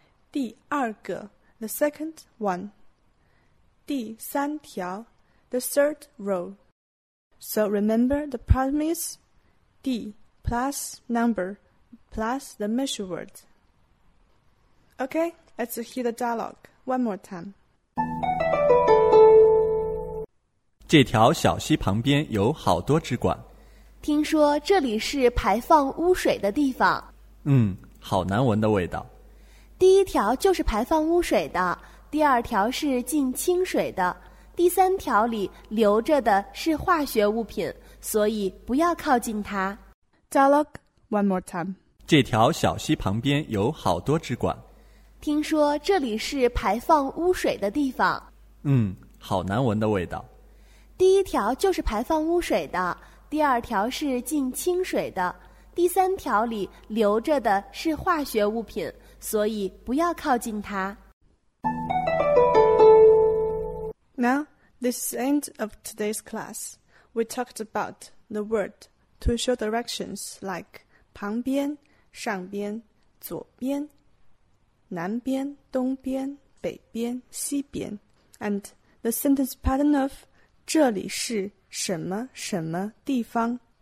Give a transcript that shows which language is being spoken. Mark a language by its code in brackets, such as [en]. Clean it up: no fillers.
[zh] 第二个, [en] the second one. [zh] 第三条, [en] the third row. So remember the problem is 第 plus number plus the measure word. Okay, let's hear the dialogue one more time. [zh] 这条小溪旁边有好多只管。听说这里是排放污水的地方。嗯，好难闻的味道。第一条就是排放污水的，第二条是进清水的，第三条里留着的是化学物品，所以不要靠近它。 [en] Dialogue one more time. [zh] 这条小溪旁边有好多只管。听说这里是排放污水的地方。嗯，好难闻的味道。第一条就是排放污水的，第二条是进清水的，第三条里留着的是化学物品。所以不要靠近它。 [en] Now, this is the end of today's class. We talked about the word to show directions like 旁边、上边、左边、南边、东边、北边、西边 and the sentence pattern of [zh] 这里是什么什么地方。